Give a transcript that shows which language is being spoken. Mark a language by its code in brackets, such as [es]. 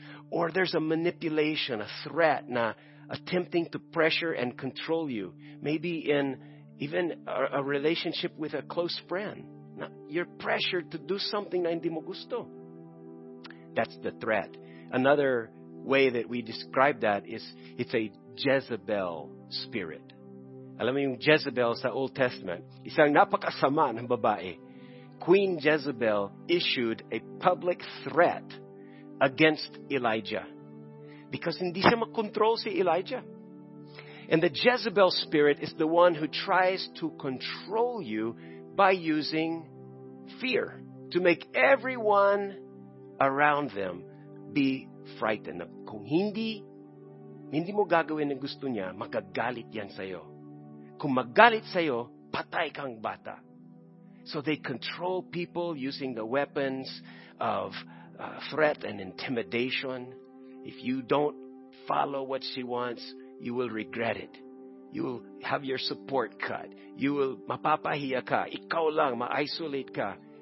[en] Or there's a manipulation, a threat na attempting to pressure and control you. Maybe in even a relationship with a close friend. Now, you're pressured to do something [tl] na hindi mo gusto. [en] That's the threat. Another way that we describe that is it's a Jezebel spirit. [tl] Alam mo yung Jezebel sa Old Testament, isang napakasama ng babae. [en] Queen Jezebel issued a public threat against Elijah because [tl] hindi siya makontrol si Elijah. [en] And the Jezebel spirit is the one who tries to control you by using fear to make everyone around them be frightened. [tl] Kung hindi mo gagawin ang gusto niya, magagalit yan sa'yo. Kung magalit sa'yo, patay kang bata. [en] So they control people using the weapons of threat and intimidation. If you don't follow what she wants, you will regret it. You will have your support cut. You will [tl] mapapahiya ka. Ikaw lang, ma-isolate ka.